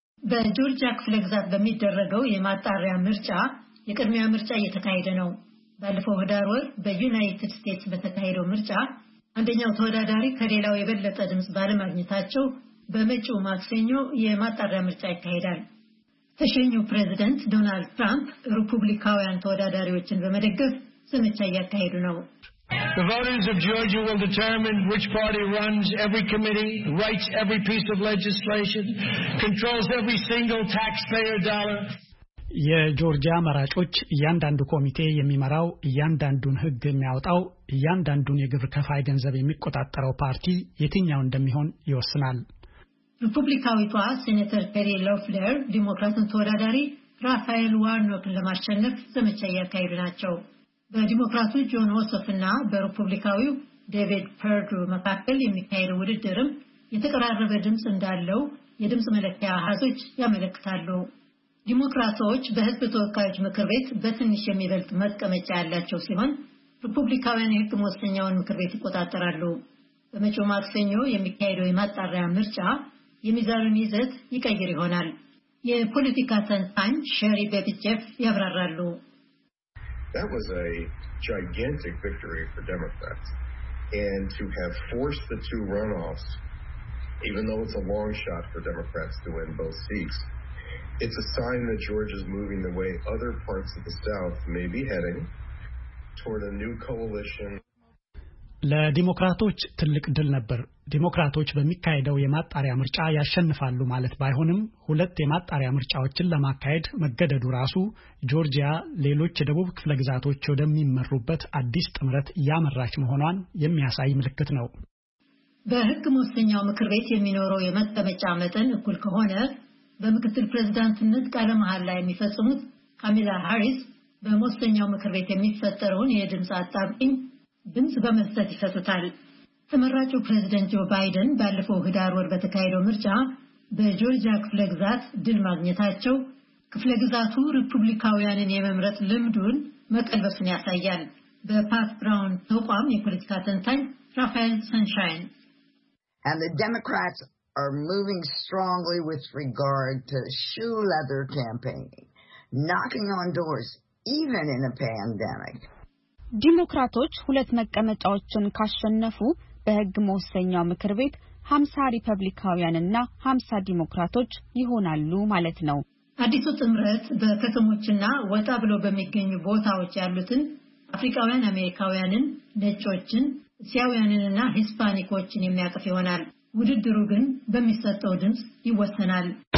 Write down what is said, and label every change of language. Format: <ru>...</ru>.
<am>በጆርጂያ ክፍለ ግዛት በሚደረገው የማጣሪያ ምርጫ የቅድሚያ ምርጫ እየተካሄደ ነው። ባለፈው ህዳር ወር በዩናይትድ ስቴትስ በተካሄደው ምርጫ አንደኛው ተወዳዳሪ ከሌላው የበለጠ ድምጽ ባለማግኘታቸው በመጪው ማክሰኞ የማጣሪያ ምርጫ ይካሄዳል። ተሸኘው ፕሬዝዳንት ዶናልድ ትራምፕ ሪፑብሊካውያን ተወዳዳሪዎችን በመደገፍ ዘመቻ እያካሄዱ ነው።</am> <en>The voters of Georgia will determine which party runs every committee, writes every piece of legislation, controls every single taxpayer dollar.</en> <am>የጆርጂያ መራጮች ያንዳንዱ ኮሚቴ የሚመራው ያንዳንዱን ህግ የሚያወጣው ያንዳንዱን የግብር ከፋይ ገንዘብ የሚቆጣጠረው ፓርቲ የትኛው እንደሚሆን ይወስናል። ሪፑብሊካዊቷ ሴኔተር ፔሪ ሎፍለር ዲሞክራቱን ተወዳዳሪ ራፋኤል ዋርኖክን ለማሸነፍ ዘመቻ እያካሄዱ ናቸው። በዲሞክራቱ ጆን ኦሶፍ እና በሪፑብሊካዊው ዴቪድ ፐርዱ መካከል የሚካሄደው ውድድርም የተቀራረበ ድምፅ እንዳለው የድምፅ መለኪያ አሃዞች ያመለክታሉ። ዲሞክራቶች በህዝብ ተወካዮች ምክር ቤት በትንሽ የሚበልጥ መቀመጫ ያላቸው ሲሆን ሪፑብሊካውያን የህግ መወሰኛውን ምክር ቤት ይቆጣጠራሉ። በመጪው ማክሰኞ የሚካሄደው የማጣሪያ ምርጫ የሚዛኑን ይዘት ይቀይር ይሆናል። የፖለቲካ ተንታኝ ሸሪ ቤቢቼፍ ያብራራሉ።</am> <en>That was a gigantic victory for Democrats. And to have forced the two runoffs, even though it's a long shot for Democrats to win both seats, it's a sign that Georgia is moving the way other parts of the South may be heading toward a new coalition.</en> <am>ለዲሞክራቶች ትልቅ ድል ነበር። ዲሞክራቶች በሚካሄደው የማጣሪያ ምርጫ ያሸንፋሉ ማለት ባይሆንም ሁለት የማጣሪያ ምርጫዎችን ለማካሄድ መገደዱ ራሱ ጆርጂያ ሌሎች የደቡብ ክፍለ ግዛቶች ወደሚመሩበት አዲስ ጥምረት ያመራች መሆኗን የሚያሳይ ምልክት ነው። በህግ መወሰኛው ምክር ቤት የሚኖረው የመቀመጫ መጠን እኩል ከሆነ በምክትል ፕሬዝዳንትነት ቃለ መሐላ የሚፈጽሙት ካሚላ ሃሪስ በመወሰኛው ምክር ቤት የሚፈጠረውን የድምጽ አጣብቂኝ ድምጽ በመስጠት ይፈቱታል። ተመራጩ ፕሬዝዳንት ጆ ባይደን ባለፈው ህዳር ወር በተካሄደው ምርጫ በጆርጂያ ክፍለ ግዛት ድል ማግኘታቸው ክፍለ ግዛቱ ሪፑብሊካውያንን የመምረጥ ልምዱን መቀልበሱን ያሳያል። በፓት ብራውን ተቋም የፖለቲካ ተንታኝ ራፋኤል ሰንሻይን</am> <en>And the Democrats are moving strongly with regard to shoe leather campaigning, knocking on doors even in a pandemic.</en> <am>ዲሞክራቶች ሁለት መቀመጫዎችን ካሸነፉ በህግ መወሰኛው ምክር ቤት 50 ሪፐብሊካውያንና 50 ዲሞክራቶች ይሆናሉ ማለት ነው። አዲሱ ትምረት በከተሞችና ወጣ ብሎ በሚገኙ ቦታዎች ያሉትን አፍሪካውያን አሜሪካውያንን ነጮችን እስያውያንንና ሂስፓኒኮችን የሚያቀፍ ይሆናል። ውድድሩ ግን በሚሰጠው ድምጽ ይወሰናል።</am>